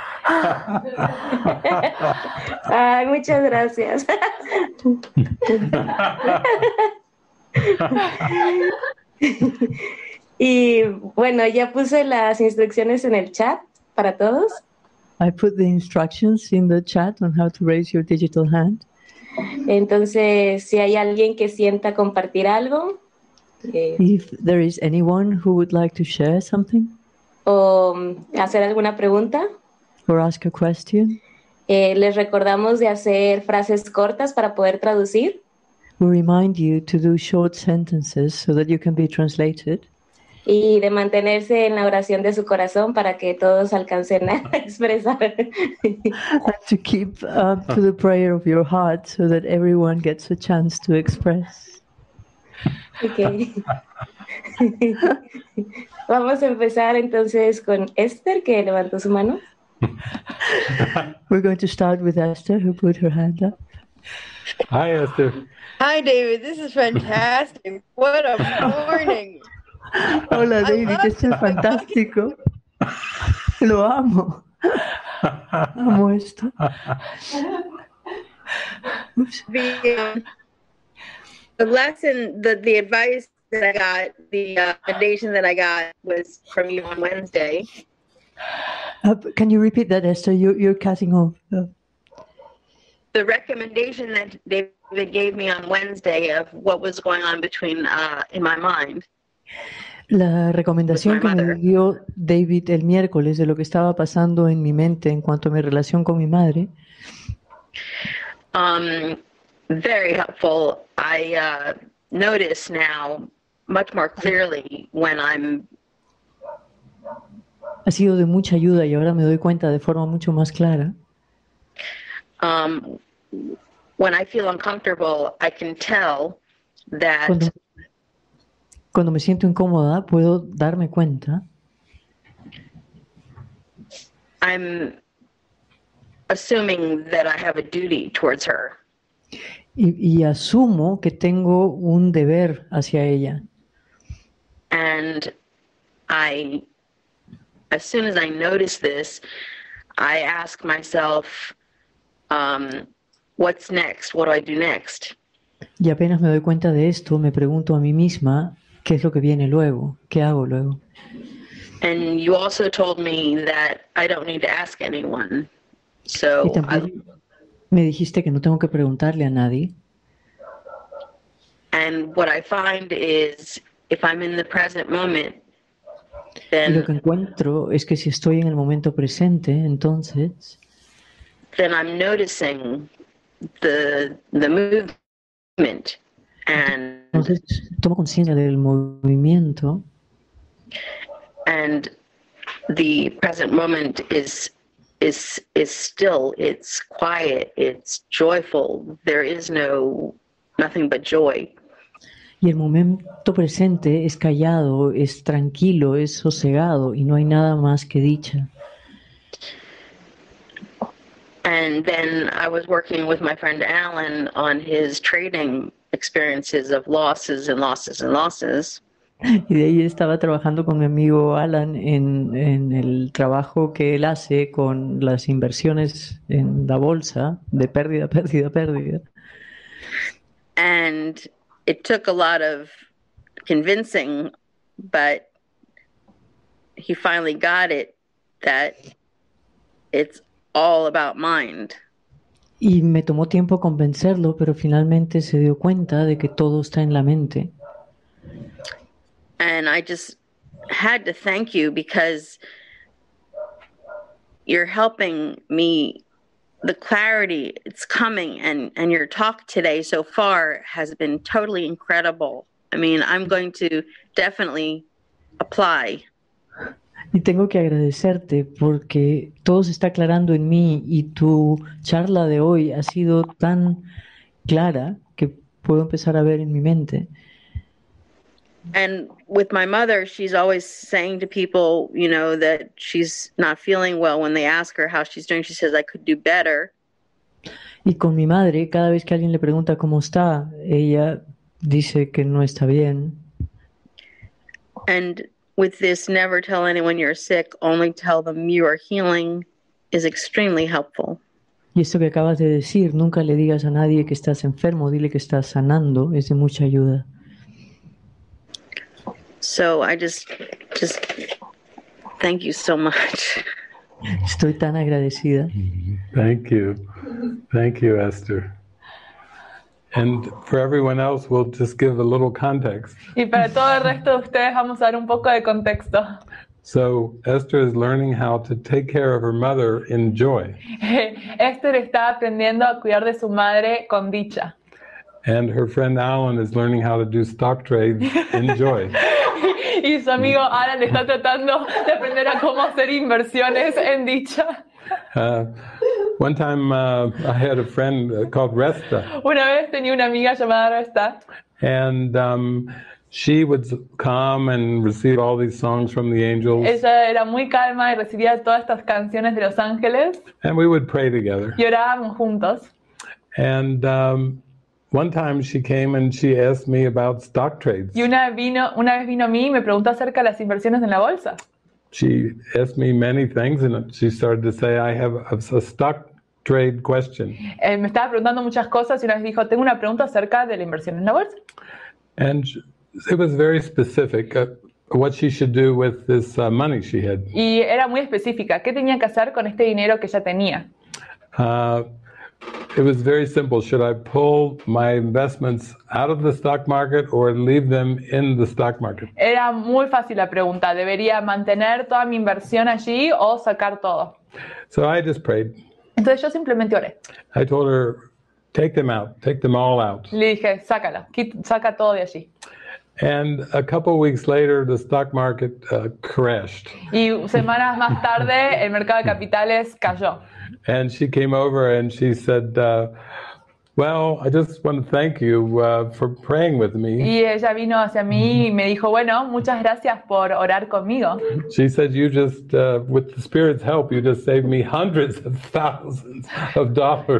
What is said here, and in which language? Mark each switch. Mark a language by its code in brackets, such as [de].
[es] Ay, muchas gracias. Y bueno, ya puse las instrucciones en el chat para todos. [en] I put the instructions in the chat on how to raise your digital hand. [es] Entonces, si hay alguien que sienta compartir algo, [en] if there is anyone who would like to share something, [es] o hacer alguna pregunta. [en] Or ask a question. [es] Les recordamos de hacer frases cortas para poder traducir. [en] We remind you to do short sentences so that you can be translated. [es] Y de mantenerse en la oración de su corazón para que todos alcancen a expresar. [en] And to keep up to the prayer of your heart so that everyone gets a chance to express. Okay. [es] Vamos a empezar entonces con Esther, que levantó su mano. [en] We're going to start with Esther, who put her hand up. Hi, Esther. Hi, David. This is fantastic. What a morning. [es] Hola, David. Esto es fantástico. Lo amo. Amo esto. [en] The lesson, the advice that I got, the foundation that I got was from you on Wednesday. Can you repeat that, Esther? You're cutting off. The recommendation that David gave me on Wednesday of what was going on between in my mind. [es] La recomendación que me dio David el miércoles de lo que estaba pasando en mi mente en cuanto a mi relación con mi madre. [en] Very helpful. I notice now much more clearly when I'm. [es] Ha sido de mucha ayuda y ahora me doy cuenta de forma mucho más clara. [en] When I feel uncomfortable, I can tell that. [es] Cuando me siento incómoda, puedo darme cuenta. [en] I'm assuming that I have a duty towards her. [es] Y asumo que tengo un deber hacia ella. [en] And I, as soon as I notice this, I ask myself, what's next? What do I do next? [es] Y apenas me doy cuenta de esto, me pregunto a mí misma, ¿qué es lo que viene luego? ¿Qué hago luego? [en] And you also told me that I don't need to ask anyone. So [es] y también me dijiste que no tengo que preguntarle a nadie. [en] And what I find is if I'm in the present moment, then [es] y lo que encuentro es que si estoy en el momento presente, entonces [en] then I'm noticing the movement. [es] Entonces, tomo conciencia del movimiento. [en] And the present moment is still, it's quiet, it's joyful. There is no nothing but joy. [es] Y el momento presente es callado, es tranquilo, es sosegado y no hay nada más que dicha. [en] And then I was working with my friend Alan on his trading experiences of losses and losses and losses. [es] Y de ahí estaba trabajando con mi amigo Alan en el trabajo que él hace con las inversiones en la bolsa de pérdida, pérdida, pérdida. [en] And it took a lot of convincing, but he finally got it that it's all about mind. [es] Y me tomó tiempo convencerlo, pero finalmente se dio cuenta de que todo está en la mente. [en] And I just had to thank you because you're helping me. The clarity, it's coming, and your talk today so far has been totally incredible. I mean, I'm going to definitely apply. [es] Y tengo que agradecerte porque todo se está aclarando en mí y tu charla de hoy ha sido tan clara que puedo empezar a ver en mi mente. [en] And with my mother, she's always saying to people, you know, that she's not feeling well when they ask her how she's doing. She says, I could do better. [es] Y con mi madre, cada vez que alguien le pregunta cómo está, ella dice que no está bien. [en] And with this, never tell anyone you're sick, only tell them you are healing, is extremely helpful. [es] Y esto que acabas de decir, nunca le digas a nadie que estás enfermo, dile que estás sanando, es de mucha ayuda. [en] So I just thank you so much. [es] Estoy tan agradecida. [en] Thank you, Esther. And for everyone else, we'll just give a little context. [es] Y para todo el resto de ustedes vamos a dar un poco de contexto. [en] So Esther is learning how to take care of her mother in joy. [es] Esther está aprendiendo a cuidar de su madre con dicha. [en] And her friend Alan is learning how to do stock trades in joy. [es] Y su amigo Alan está tratando de aprender a cómo hacer inversiones en dicha. [en] One time I had a friend called Resta. [es] Una vez tenía una amiga llamada Resta. [en] And She would come and receive all these songs from the angels. [es] Ella era muy calma y recibía todas estas canciones de los ángeles. [en] And we would pray together. [es] Y orábamos juntos. [en] And one time she came and she asked me about stock trades. [es] Y una vez vino a mí y me preguntó acerca de las inversiones en la bolsa. [en] She asked me many things and she started to say, I have a stock trade question. [es] Me estaba preguntando muchas cosas y una vez dijo, tengo una pregunta acerca de la inversión en la bolsa. [en] And it was very specific what she should do with this money she had. [es] Y era muy específica, ¿qué tenía que hacer con este dinero que ella tenía? [en] It was very simple. Should I pull my investments out of the stock market or leave them in the stock market? [es] Era muy fácil la pregunta. ¿Debería mantener toda mi inversión allí o sacar todo? [en] So I just prayed. [es] Entonces yo simplemente oré. [en] I told her, take them out. Take them all out. [es] Le dije, sácalo. Saca todo de allí. [en] And a couple of weeks later, the stock market crashed. [es] Y semanas más tarde, el mercado de capitales cayó. [en] And she came over and she said, well, I just want to thank you for praying with me. [es] Y ella vino hacia mí y me dijo, bueno, muchas gracias por orar conmigo. [en] She said, you just, with the Spirit's help, you just saved me hundreds of thousands of dollars.